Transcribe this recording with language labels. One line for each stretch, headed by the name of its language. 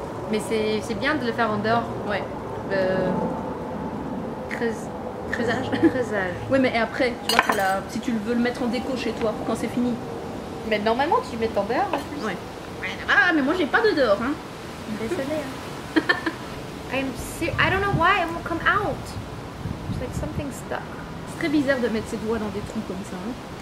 French: Mais c'est bien de le faire en dehors. Ouais. Le creusage. Ouais, mais et après, tu vois, si tu veux le mettre en déco chez toi, quand c'est fini. Mais normalement, tu le mets en dehors, en plus. Ouais. Ah, mais moi, j'ai pas de dehors, hein. Désolée, hein.
English: I don't know why it won't come out. It's like something stuck.
French: C'est très bizarre de mettre ses doigts dans des trous comme ça, hein.